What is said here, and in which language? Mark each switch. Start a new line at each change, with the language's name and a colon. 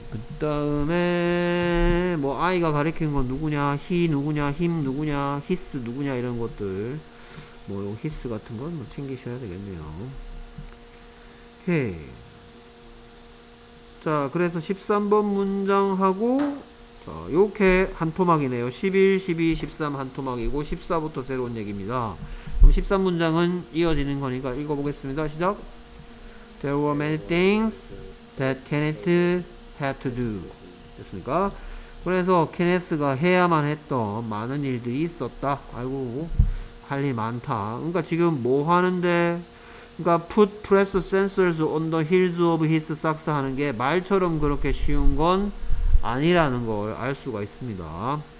Korean: 그 다음에 뭐 아이가 가리키는 건 누구냐, he 누구냐, him 누구냐, his 누구냐 이런 것들 뭐 요 his 같은 건 뭐 챙기셔야 되겠네요. Okay. 자 그래서 13번 문장하고 자, 요렇게 한 토막이네요. 11, 12, 13 한 토막이고 14부터 새로운 얘기입니다. 그럼 13 문장은 이어지는 거니까 읽어보겠습니다. 시작.
English: There were many things that Kenneth had to do.
Korean: 됐습니까? 그래서 케네스가 해야만 했던 많은 일들이 있었다. 아이고 할 일 많다. 그러니까 지금 뭐 하는데? 그러니까
English: put pressure sensors on the heels of his socks
Korean: 하는 게 말처럼 그렇게 쉬운 건 아니라는 걸 알 수가 있습니다.